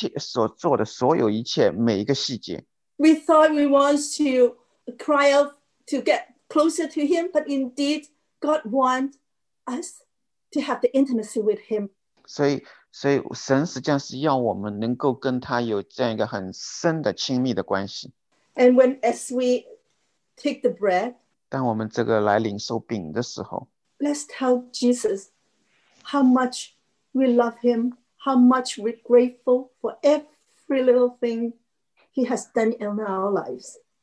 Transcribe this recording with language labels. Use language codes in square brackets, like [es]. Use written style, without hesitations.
[zh] 当我们这样来一起来领受圣餐的时候，我们不只是纪念他是怎么样，还是在十字架上为我们死，而是来纪念他在我们生命中所做的每一切，所做的所有一切，每一个细节。 [en] We thought we wanted to cry out to get closer to him, but indeed, God wants us to have the intimacy with him. [zh] 所以神实际上是要我们能够跟他有这样一个很深的亲密的关系。 [en] And when as we take the bread, [zh] 当我们这个来领受饼的时候, [en] let's tell Jesus how much we love him, how much we're grateful for every little thing he has done in our lives.